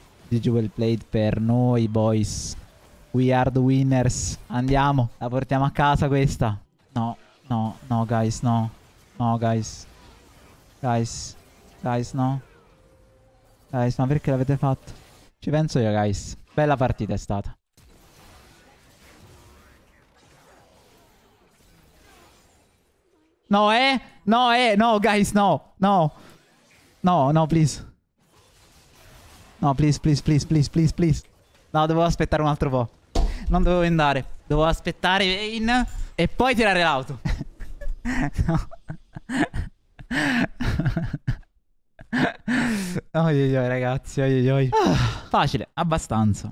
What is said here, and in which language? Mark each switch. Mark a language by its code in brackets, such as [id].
[en] GG, well played [it] per noi, [en] boys. We are the winners. [it] Andiamo, la portiamo a casa questa. [en] No. No, no, guys, no. No, guys. Guys. Guys, no. [it] Guys, ma perché l'avete fatto? Ci penso io, guys. Bella partita è stata. [en] No, eh? No, eh? No, guys, no. No. No, no, please. No, please, please, please, please, please, please. [it] No, dovevo aspettare un altro po'. Non dovevo andare. Dovevo aspettare Vayne e poi tirare l'auto. Oh, ragazzi, oh. Facile, abbastanza.